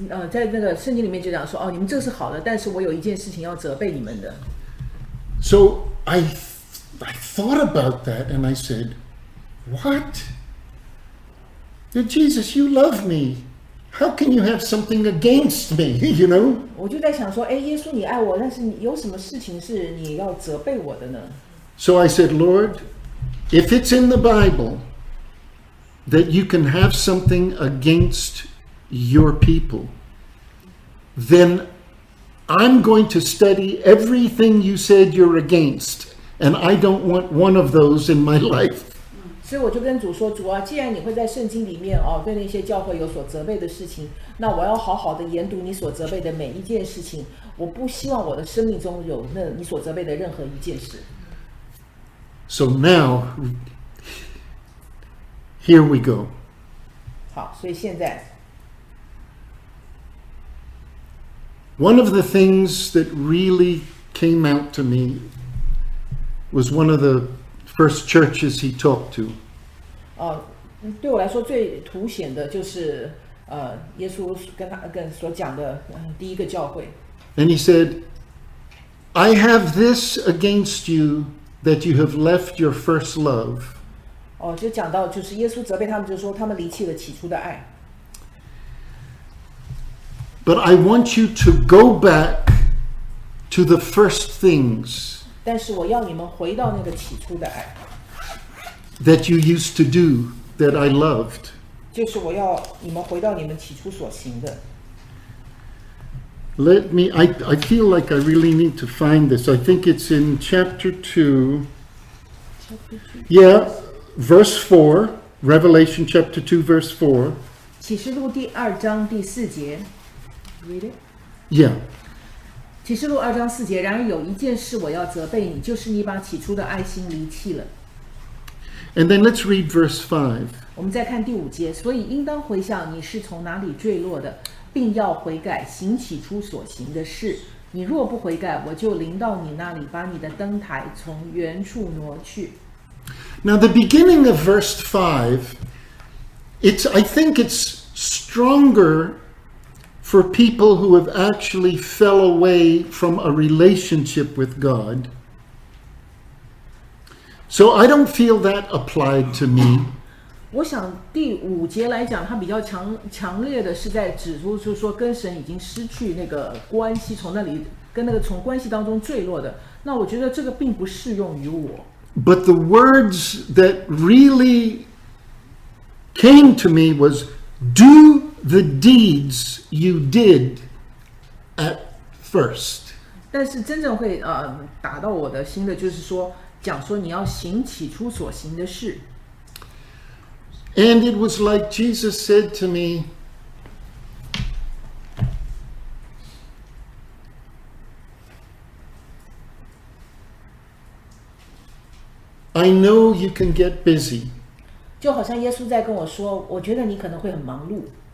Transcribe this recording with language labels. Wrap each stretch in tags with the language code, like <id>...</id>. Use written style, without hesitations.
<zh>在那个圣经里面就讲说，你们这是好的，但是我有一件事情要责备你们的。</zh> <en>So I thought about that, and I said, "What? Jesus, you love me." How can you have something against me? You know.</en> <zh>我就在想说，耶稣，你爱我，但是你有什么事情是你要责备我的呢</zh> <en>？So I said, Lord, if it's in the Bible that you can have something against your people, then I'm going to study everything you said you're against, and I don't want one of those in my life.</en> <zh>所以我就跟主说，主啊，既然你会在圣经里面对那些教会有所责备的事情，那我要好好的研读你所责备的每一件事情。我不希望我的生命中有那你所责备的任何一件事。</zh> <en>So now, here we go.</en> <zh>好，所以现在</zh> <en>，One of the things that really came out to me was one of the. First churches he talked to.</en> <zh>对我来说最凸显的就是耶稣跟所讲的第一个教会。</zh> <en>And he said, "I have this against you that you have left your first love."</en> <zh>就讲到就是耶稣责备他们，就是说他们离弃了起初的爱。</zh> <en>But I want you to go back to the first things.</en> <zh>但是我要你们回到那个起初的爱</zh> <en>that you used to do that I loved.</en> <zh>就是我要你们回到你们起初所行的。</zh> <en>Let me. I feel like I really need to find this. I think it's in chapter 2. Yeah, verse 4. Revelation chapter 2, verse 4.</en> <zh>启示录第二章第四节。</zh> <en>Read it. Yeah.</en> <zh>启示录二章四节，然而有一件事我要责备你，就是你把起初的爱心离弃了。</zh> <en>And then let's read verse 5.</en> <zh>我们再看第五节，所以应当回想你是从哪里坠落的，并要悔改，行起初所行的事。你若不悔改，我就临到你那里，把你的灯台从原处挪去。</zh> <en>Now the beginning of verse 5, I think it's stronger. For people who have actually fell away from a relationship with God. So I don't feel that applied to me.</en> <zh>我想第五节来讲，它比较强烈的是在指出，就是说跟神已经失去那个关系，从那里跟那个从关系当中坠落的。那我觉得这个并不适用于我。</zh> <en>But the words that really came to me was, "Do the deeds you did at first."</en> <zh>但是真正会打到我的心的，就是说讲说你要行起初所行的事。</zh> <en>And it was like Jesus said to me, I know you can get busy.</en> <zh>就好像耶稣在跟我说，我觉得你可能会很忙碌。</zh>